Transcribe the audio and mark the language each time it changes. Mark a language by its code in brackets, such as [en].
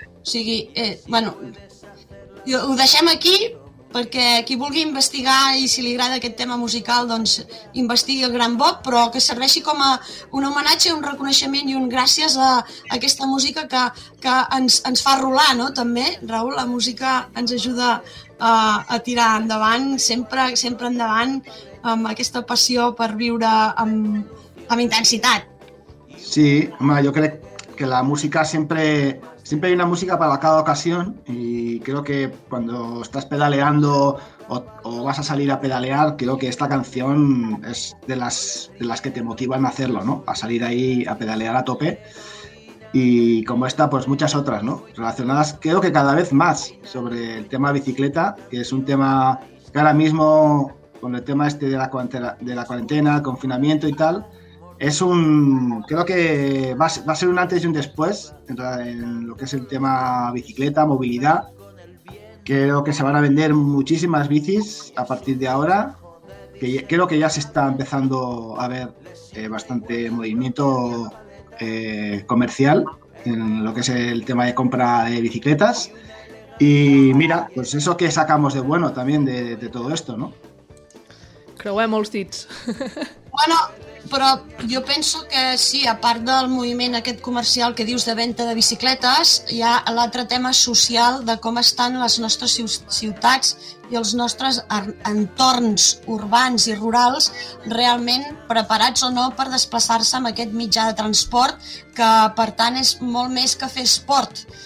[ca] O sigui, bueno, ho deixem aquí perquè qui vulgui investigar i si li agrada aquest tema musical doncs investigui el gran Bob, però que serveixi com a un homenatge, un reconeixement i un gràcies a aquesta música que ens fa rolar, no? També, Raül, la música ens ajuda a tirar endavant, sempre, sempre endavant, amb aquesta passió per viure amb intensitat. Sí, home, jo crec que la música [es] siempre hay una música para cada ocasión y creo que cuando estás pedaleando o vas a salir a pedalear, creo que esta canción es de las que te motivan a hacerlo, ¿no? A salir ahí a pedalear a tope. Y como esta, pues muchas otras, ¿no? Relacionadas, creo que cada vez más, sobre el tema bicicleta, que es un tema que ahora mismo, con el tema este de la cuarentena, el confinamiento y tal, creo que va a ser un antes y un después en lo que es el tema bicicleta, movilidad. Creo que se van a vender muchísimas bicis a partir de ahora, que creo que ya se está empezando a ver bastante movimiento comercial en lo que es el tema de compra de bicicletas. Y mira, pues eso que sacamos de bueno también de todo esto, ¿no? [ca] Creuem els dits. Bueno, però jo penso que sí, a part del moviment aquest comercial que dius de venda de bicicletes, hi ha l'altre tema social de com estan les nostres ciutats i els nostres entorns urbans i rurals realment preparats o no per desplaçar-se amb aquest mitjà de transport, que per tant és molt més que fer esport.